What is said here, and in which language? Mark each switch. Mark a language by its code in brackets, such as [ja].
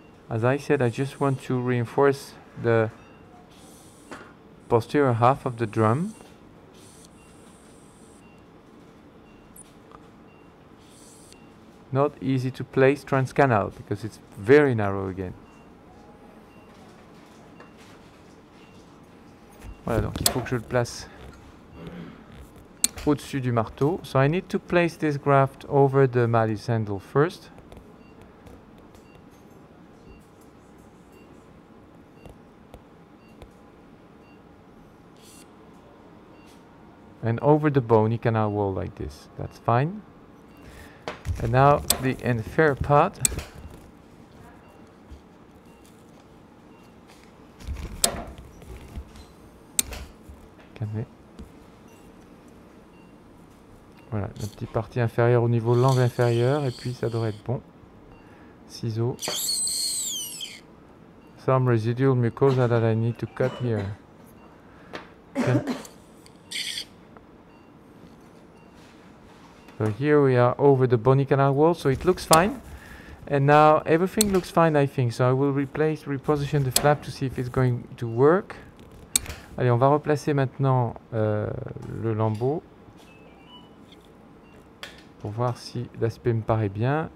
[en] As I said, I just want to reinforce the posterior half of the drum. Not easy to place transcanal because it's very narrow again. [fr] Voilà, donc il faut que je le place au-dessus du marteau. [en] So I need to place this graft over the malleus handle first. And over the bony canal wall like this. That's fine. And now the inferior part. [fr] Voilà, la petite partie inférieure au niveau de l'angle inférieur, et puis ça devrait être bon. Ciseaux. [en] Some residual mucosa that I need to cut here. Okay. So here we are over the bony canal wall, so it looks fine. And now everything looks fine, I think. So I will reposition the flap to see if it's going to work. [fr] Allez, on va replacer maintenant le lambeau pour voir si l'aspect me paraît bien.